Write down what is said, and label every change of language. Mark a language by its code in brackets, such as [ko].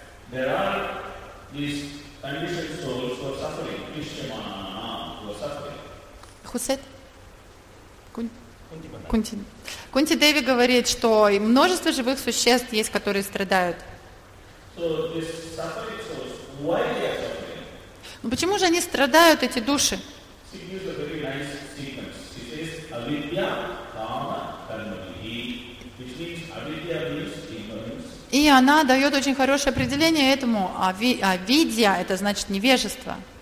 [en] There are these conditioned souls who are suffering, Krishyamana, who are suffering. Who said? Kunti. [ru] Kunti Devi говорит, что множество живых существ есть, которые страдают. [en] So these suffering souls, why they are suffering? [ru] Ну почему же они страдают, эти души? [en] She gives a very nice sequence. She says, avidya, kama, karmadhi, which means avidya means [ru] И она дает очень хорошее определение этому. Авидья – это значит невежество.